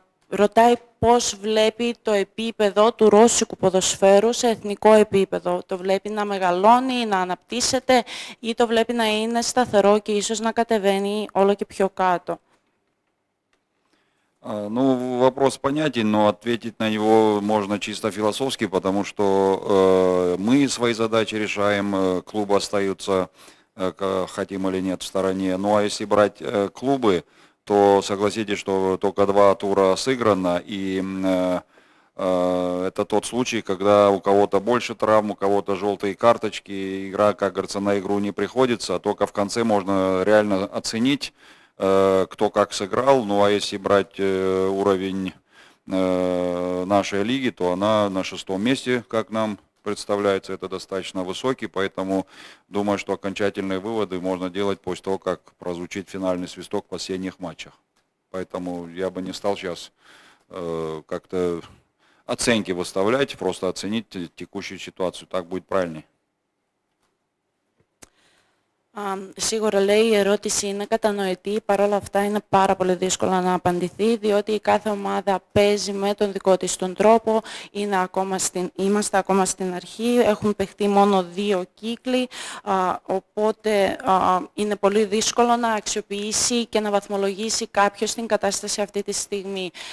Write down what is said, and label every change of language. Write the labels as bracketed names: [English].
[Greek] Ρωτάει πώς βλέπει το επίπεδο του ρώσικου ποδοσφαίρου σε εθνικό επίπεδο. Το βλέπει να μεγαλώνει, να αναπτύσσεται ή το βλέπει να είναι σταθερό και ίσως να κατεβαίνει όλο και πιο κάτω. [Russian] Ну, вопрос понятен, но ответить на него можно чисто философски, потому что мы свои задачи решаем, клубы остаются, хотим или нет, в стороне. Ну, а если брать клубы, то согласитесь, что только два тура сыграно, и это тот случай, когда у кого-то больше травм, у кого-то желтые карточки, игра, как говорится, на игру не приходится, только в конце можно реально оценить, кто как сыграл. Ну а если брать уровень нашей лиги, то она на шестом месте, как нам представляется, это достаточно высокий, поэтому думаю, что окончательные выводы можно делать после того, как прозвучит финальный свисток в последних матчах. Поэтому я бы не стал сейчас как-то оценки выставлять, просто оценить текущую ситуацию. Так будет правильнее. [Greek] Σίγουρα λέει η ερώτηση είναι κατανοητή, παρόλα αυτά είναι πάρα πολύ δύσκολο να απαντηθεί, διότι η κάθε ομάδα παίζει με τον δικό της τον τρόπο, είμαστε ακόμα στην αρχή, έχουν παιχτεί μόνο δύο κύκλοι, οπότε είναι πολύ δύσκολο να αξιοποιήσει και να βαθμολογήσει κάποιος την κατάσταση αυτή τη στιγμή.